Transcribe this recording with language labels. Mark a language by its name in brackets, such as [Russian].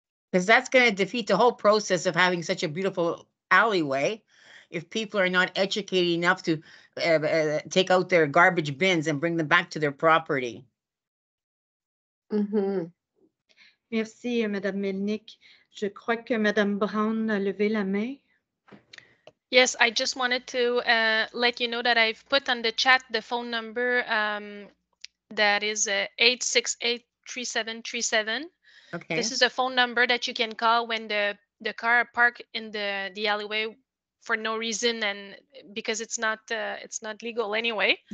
[English] Because that's going to defeat the whole process of having such a beautiful alleyway. If people are not educated enough to take out their garbage bins and bring them back to their property. Mm-hmm. [French] Merci, Madame Melnick. Je crois que Madame Brown a levé la main. [English] Yes, I just wanted to let you know that I've put on the chat the phone number that is 868-3737. Okay. This is a phone number that you can call when the car parked in the alleyway for no reason, and because it's not legal anyway.